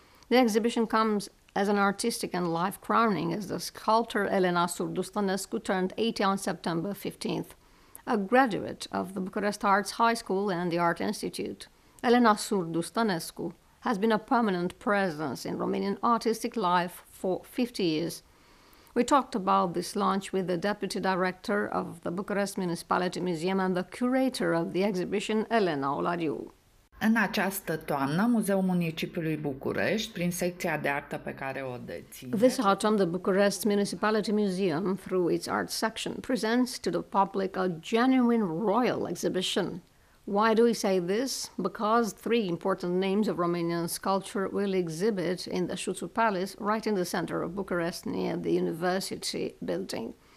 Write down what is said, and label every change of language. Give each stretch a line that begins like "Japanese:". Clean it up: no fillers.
English: The exhibition comes as an artistic and life crowning as the sculptor Elena Surdu-Sănescu turned 80 on September 15th, a graduate of the Bucharest Arts High School and the Art Institute. Elena Surdu-Sănescu has been a permanent presence in Romanian artistic life for 50 years. We talked about this launch with the deputy director of the Bucharest Municipality Museum and the curator of the exhibition, Elena Olariu.
Romanian: În această toamnă, Muzeul Municipiului București, prin secția de artă pe care o deține.
English: This autumn, the Bucharest Municipality Museum, through its art section, presents to the public a genuine royal exhibition. Why do we say this? Because three important names of Romanian sculpture will exhibit in the Șuțu Palace, right in the center of Bucharest, near the university building.